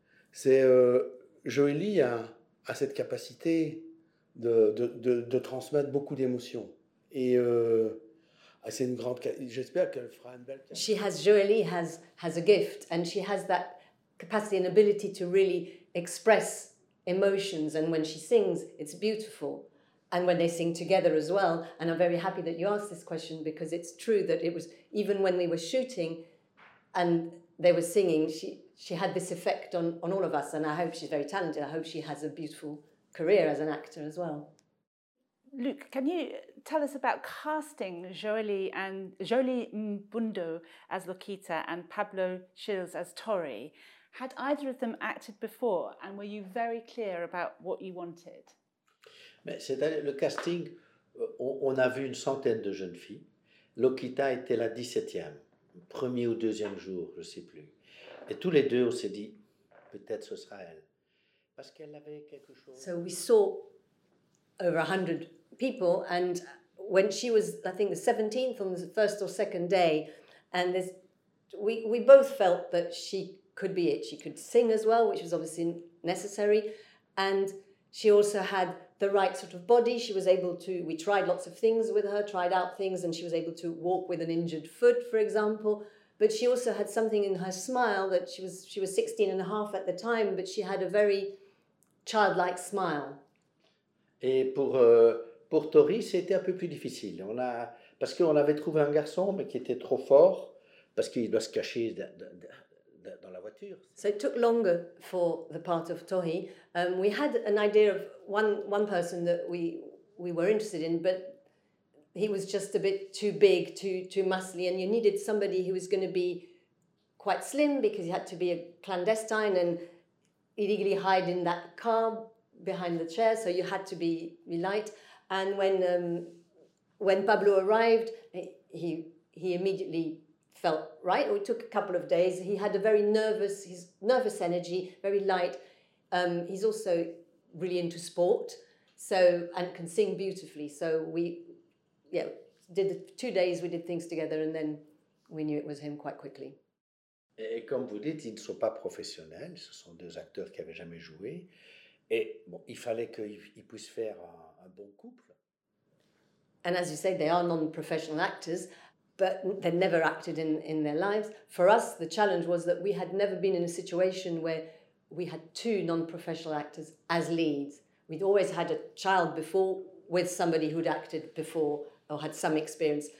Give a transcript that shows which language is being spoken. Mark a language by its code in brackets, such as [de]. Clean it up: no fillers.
[fr] C'est Joëlie a cette capacité de transmettre beaucoup d'émotions, et c'est une grande. J'espère qu'elle fera une belle. [en] She has Joëlie has a gift, and she has that capacity and ability to really express emotions. And when she sings, it's beautiful. And when they sing together as well, and I'm very happy that you asked this question, because it's true that it was even when we were shooting, and they were singing, she had this effect on all of us, and I hope she's very talented. I hope she has a beautiful career as an actor as well. Luke, can you tell us about casting Joëlie Mbundo as Lokita and Pablo Shills as Tori? Had either of them acted before, and were you very clear about what you wanted? [fr] Mais c'est-à-dire, le casting, on a vu une centaine de jeunes filles. Lokita était la 17e, premier ou deuxième jour, je ne sais plus. Et tous les deux, on s'est dit, peut-être ce sera elle. Parce qu'elle avait quelque chose. [en] So we saw over 100 people, and when she was, I think, the 17th on the first or second day, and we both felt that she could be it. She could sing as well, which was obviously necessary, and she also had the right sort of body. She was able to, we tried lots of things with her, tried out things, and she was able to walk with an injured foot, for example. But she also had something in her smile that she was 16 and a half at the time, but she had a very childlike smile. [fr] Et pour Tori, c'était un peu plus difficile. Parce qu'on avait trouvé un garçon, mais qui était trop fort, parce qu'il doit se cacher dans la voiture. [en] So it took longer for the part of Tori. We had an idea of one person that we were interested in, but he was just a bit too big, too muscly, and you needed somebody who was going to be quite slim, because he had to be a clandestine and illegally hide in that car behind the chair, so you had to be light. And when Pablo arrived, he he immediately felt right. It took a couple of days. He had a very nervous, his nervous energy, very light. He's also really into sport, so, and can sing beautifully. So we, yeah, did the 2 days, we did things together, and then we knew it was him quite quickly. [fr] Et comme vous dites, ils ne sont pas professionnels, ce sont deux acteurs qui n'avaient jamais joué. Et bon, il fallait qu'ils puissent faire un bon couple. [en] And as you say, they are non-professional actors, but they never acted in their lives. For us, the challenge was that we had never been in a situation where we had two non-professional actors as leads. We'd always had a child before with somebody who'd acted before or had some experience.